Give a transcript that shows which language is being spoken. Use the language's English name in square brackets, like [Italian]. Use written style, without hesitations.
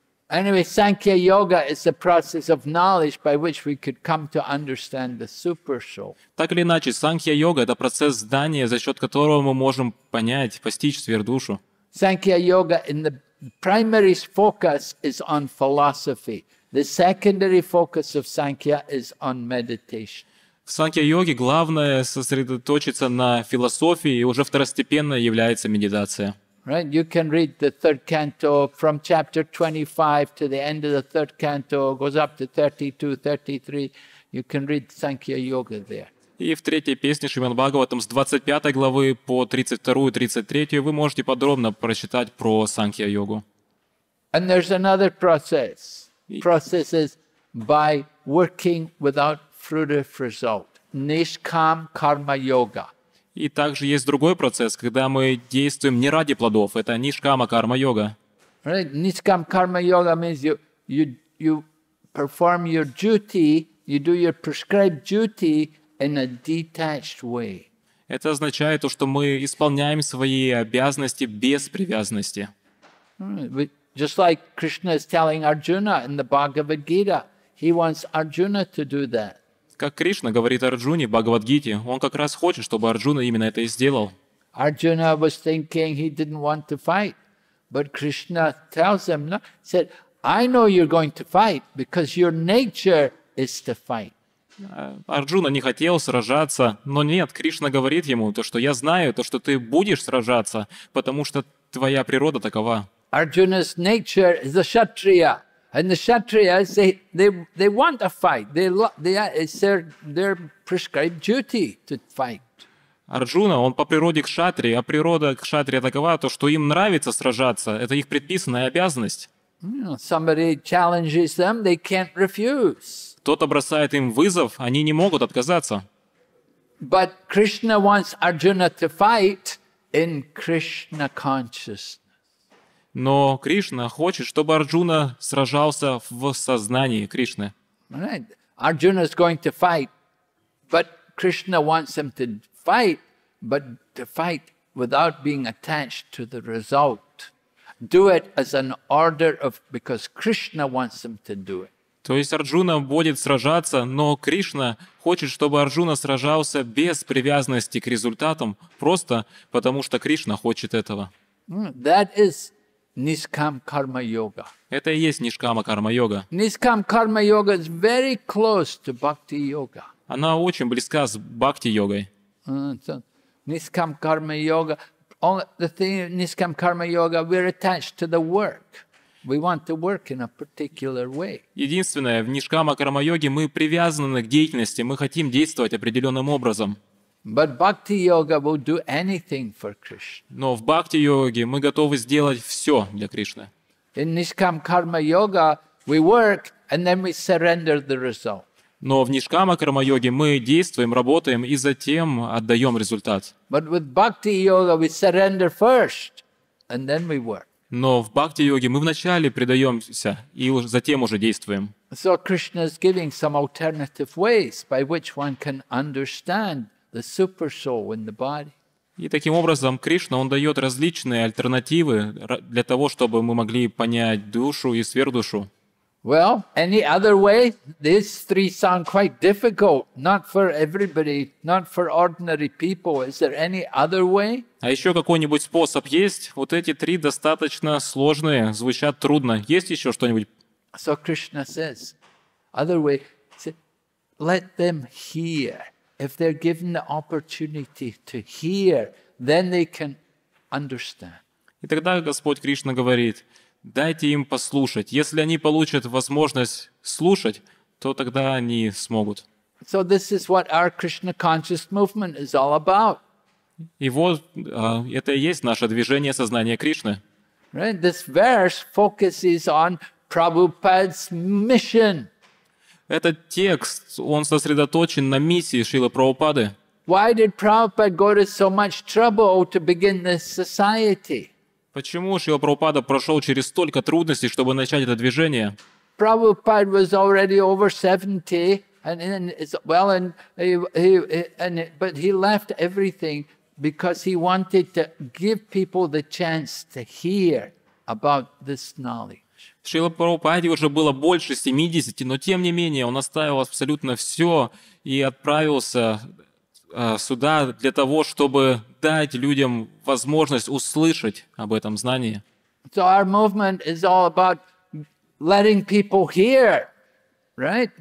[English] Anyway, Sankhya Yoga is the process of knowledge by which we could come to understand the super soul. [Russian] Так или иначе, Санхья йога это процесс знания, за счёт которого мы можем понять, постичь сверхдушу. [English] Sankhya Yoga in the primary focus is on philosophy. The secondary focus of Sankhya is on meditation. [Russian] В Санхья-йоге главное сосредоточиться на философии, и уже второстепенно является медитация. [English] Right, you can read the third canto from chapter 25 to the end of the third canto, goes up to 32, 33. You can read Sankhya Yoga there. [Russian] И в третьей песне Шримад-Бхагаватам с 25 главы по 32, 33 вы можете подробно прочитать про Санхья-йогу. [English] And there's another process. Process is by working without fruitive result. Nishkam Karma Yoga. [Russian] И также есть другой процесс, когда мы действуем не ради плодов. Это Нишкама Карма Йога. [English] Right? Nishkam Karma Yoga means you perform your duty, you do your prescribed duty in a detached way. [Russian] Это означает то, что мы исполняем свои обязанности без привязанности. [English] Just like Krishna is telling Arjuna in the Bhagavad Gita, he wants Arjuna to do that. [Russian] Как Кришна говорит Арджуне в Бхагавад-гите, он как раз хочет, чтобы Арджуна именно это и сделал. [English] Arjuna was thinking he didn't want to fight, but Krishna tells him, no, said, I know you're going to fight because your nature is to fight. [Russian] Арджуна не хотел сражаться, но нет, Кришна говорит ему то, что я знаю, то, что ты будешь сражаться, потому что твоя природа такова. [English] Arjuna's nature is a kshatriya, and the kshatriyas they want to fight. They it's their prescribed duty to fight. [Russian] Арджуна, он по природе кшатри, а природа кшатри такова, то, что им нравится сражаться, это их предписанная обязанность. [English] You know, somebody challenges them, they can't refuse. [Russian] Кто-то бросает им вызов, они не могут отказаться. [English] But Krishna wants Arjuna to fight in Krishna consciousness. [Russian] Но Кришна хочет, чтобы Арджуна сражался в сознании Кришны. [English] Right. Arjuna is going to fight, but Krishna wants him to fight, but to fight without being attached to the result. Do it as an order of because Krishna wants him to do it. [Russian] То есть Арджуна будет сражаться, но Кришна хочет, чтобы Арджуна сражался без привязанности к результатам, просто потому что Кришна хочет этого. [English] That is Nishkam Karma Yoga. [Russian] Это и есть Нишкама Карма Йога. [English] Nishkam Karma Yoga is very close to Bhakti Yoga. [Russian] Она очень близка с Бхакти Йогой. [English] Nishkam Karma Yoga. All the thing Nishkam Karma Yoga, we're attached to the work. We want to work in a particular way. [Russian] Единственное, в Нишкама Карма Йоге мы привязаны к деятельности, мы хотим действовать определенным образом. [English] But Bhakti Yoga will do anything for Krishna. [Russian] Но в Бхакти Йоге мы готовы сделать все для Кришны. [English] In Nishkam Karma Yoga, we work and then we surrender the result. [Russian] Но в нишкама карма-йоге мы действуем, работаем и затем отдаем результат. [English] But with bhakti-йога we surrender first, and then we work. [Russian] Но в бхакти-йоге мы вначале предаемся и затем уже действуем. [English] So Krishna is giving some alternative ways by which one can understand the super soul in the body. [Russian] И таким образом Кришна, он дает различные альтернативы для того, чтобы мы могли понять душу и сверхдушу. [English] Well, any other way? These three sound quite difficult. Not for everybody, not for ordinary people. Is there any other way? [Russian] А еще какой-нибудь способ есть? Вот эти три достаточно сложные, звучат трудно. Есть еще что-нибудь? [English] So Krishna says, other way. Let them hear. If they're given the opportunity to hear, then they can understand. [Russian] И тогда Господь Кришна говорит: дайте им послушать. Если они получат возможность слушать, то тогда они смогут. [English] So this is what our Krishna conscious movement is all about. [Russian] И вот это и есть наше движение сознания Кришны. [English] Right? This verse focuses on Prabhupada's mission. [Russian] Этот текст, он сосредоточен на миссии Шрилы Прабхупады. [English] Why did Prabhupada go to so much trouble to begin this society? [Russian] Почему Шрила Прабхупада прошел через столько трудностей, чтобы начать это движение? [English] Prabhupada was already over 70, but he left everything because he wanted to give people the chance to hear about this knowledge. [Russian] Шрила Прабхупаде уже было больше 70, но тем не менее он оставил абсолютно все и отправился сюда для того, чтобы дать людям возможность услышать об этом знании. [English] So our movement is all about letting people hear, right?